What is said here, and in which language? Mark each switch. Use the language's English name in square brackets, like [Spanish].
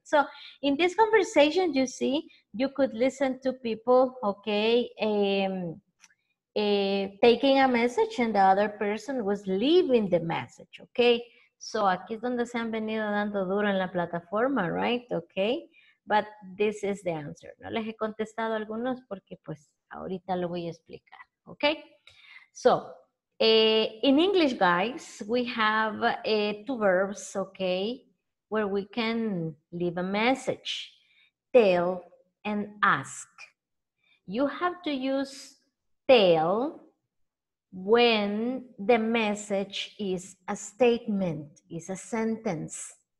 [English] So in this conversation, you see, you could listen to people, OK, taking a message, and the other person was leaving the message, OK? [Spanish] So aquí es donde se han venido dando duro en la plataforma, right? [English] OK, but this is the answer. [Spanish] No les he contestado algunos porque, pues, ahorita lo voy a explicar, okay? [English] So, in English, guys, we have two verbs, okay, where we can leave a message, tell and ask. You have to use tell when the message is a statement, is a sentence.